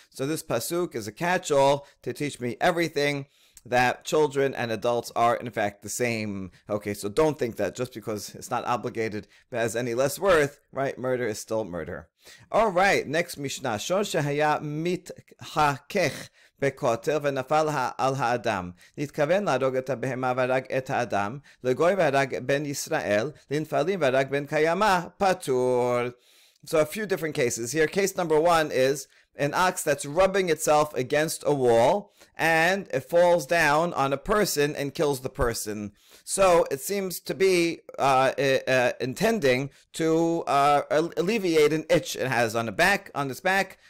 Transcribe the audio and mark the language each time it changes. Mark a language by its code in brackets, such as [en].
[en] So this pasuk is a catch-all to teach me everything that children and adults are in fact the same. Okay, so don't think that just because it's not obligated but has any less worth, right? Murder is still murder. All right, next mishnah. [he] Shor shehaya mit hakech בקוטר ונפל על האדם. נתכוון להרוג את הבהמה והרג את האדם, לגוי והרג בן ישראל, לנפלים והרג בן קיימה, פטור. [en] So a few different cases here. Case number one is an ox that's rubbing itself against a wall and it falls down on a person and kills the person. So it seems to be intending to alleviate an itch it has on its back.